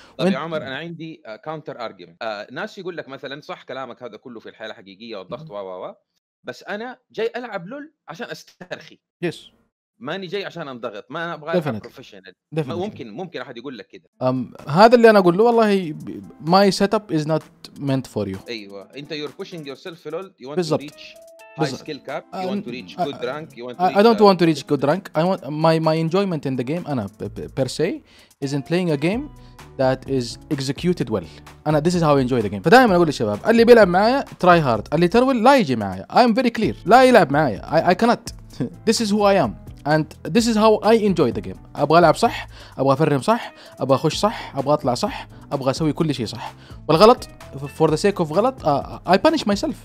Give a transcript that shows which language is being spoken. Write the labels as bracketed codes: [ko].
[ar] طيب يا عمر انا عندي كاونتر ارجيومنت. ناس يقول لك مثلا صح كلامك هذا كله في الحياه الحقيقيه والضغط و و، بس انا جاي العب لول عشان استرخي. [en] yes [ar] ماني جاي عشان انضغط، ما انا ابغى [en] Professional. [ar] ممكن احد يقول لك كده. هذا اللي انا اقول له، والله [en] My set up is not meant for you. [ar] ايوه انت [en] You're pushing yourself LoL, you want to reach high skill cap, you want to reach good rank, you want to reach, I don't want to reach good rank. I want my enjoyment in the game انا per se isn't playing a game that is executed well. انا this is how I enjoy the game. [ar] فدائما اقول للشباب اللي بيلعب معايا [en] try hard، [ar] اللي ترول لا يجي معايا. [en] I'm very clear، [ar] لا يلعب معايا. [en] I cannot. This is who I am and this is how I enjoy the game. [ar] ابغى العب صح، ابغى افرم صح، ابغى اخش صح، ابغى اطلع صح، ابغى اسوي كل شيء صح. والغلط [en] for the sake of [ar] غلط [en] I punish myself.